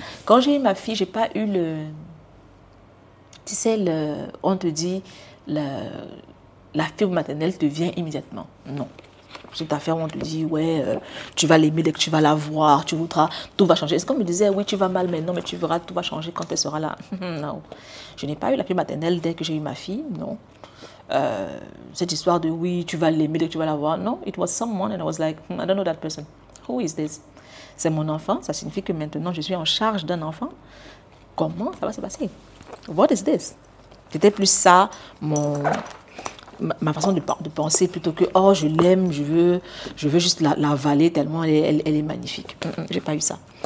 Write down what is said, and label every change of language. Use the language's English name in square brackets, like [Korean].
[French] Quand j'ai eu ma fille, je n'ai pas eu le... Tu sais, on te dit, la fibre maternelle te vient immédiatement. Non. Cette affaire où on te dit, ouais, tu vas l'aimer dès que tu vas la voir, tu voudras, tout va changer. Est-ce qu'on me disait, oui, tu vas mal maintenant, mais tu verras, tout va changer quand elle sera là? Non. Je n'ai pas eu la fibre maternelle dès que j'ai eu ma fille, non. Cette histoire de oui, tu vas l'aimer dès que tu vas la voir. [English] Non, it was someone and I was like, I don't know that person. Who is this? [French] C'est mon enfant. Ça signifie que maintenant je suis en charge d'un enfant. Comment ça va se passer? [English] What is this? [French] C'était plus ça, ma façon de penser plutôt que oh je l'aime, je veux juste l'avaler tellement elle est magnifique. J'ai pas eu ça.